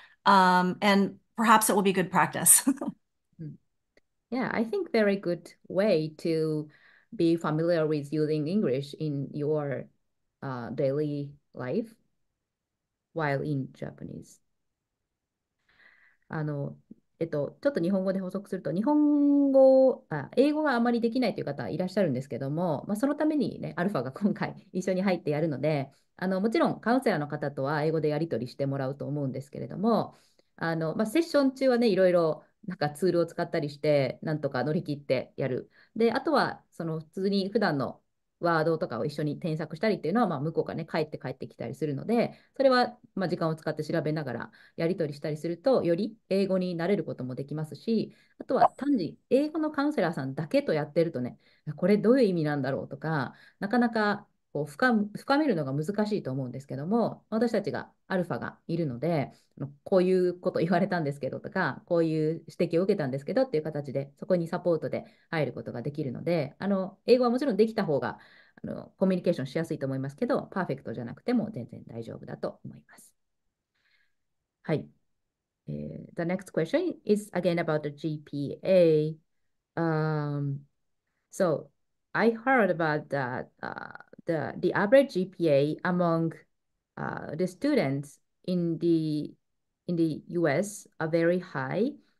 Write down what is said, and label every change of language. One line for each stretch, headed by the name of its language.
English: And perhaps it will be good practice. Yeah, I think very good way to be familiar with using English in your daily life while in Japanese.
Japanese: ちょっと日本語で補足すると、日本語、英語があまりできないという方いらっしゃるんですけども、まあ、そのためにね、アルファが今回一緒に入ってやるので、もちろんカウンセラーの方とは英語でやり取りしてもらうと思うんですけれども、まあ、セッション中はね、いろいろなんかツールを使ったりしてなんとか乗り切ってやる。で、あとはその普通に普段のワードとかを一緒に添削したりっていうのは、まあ、向こうからね帰ってきたりするので、それはまあ時間を使って調べながらやり取りしたりするとより英語になれることもできますし、あとは単に英語のカウンセラーさんだけとやってるとね、これどういう意味なんだろうとかなかなかこう深めるのが難しいと思うんですけども、私たちがアルファがいるので、こういうこと言われたんですけどとか、こういう指摘を受けたんですけどっていう形でそこにサポートで入ることができるので、英語はもちろんできた方がコミュニケーションしやすいと思いますけど、パーフェクトじゃなくても全然大丈夫だと思います。はい。
English: The next question is again about the GPA. So I heard about that the average GPA among the students in the US are very high.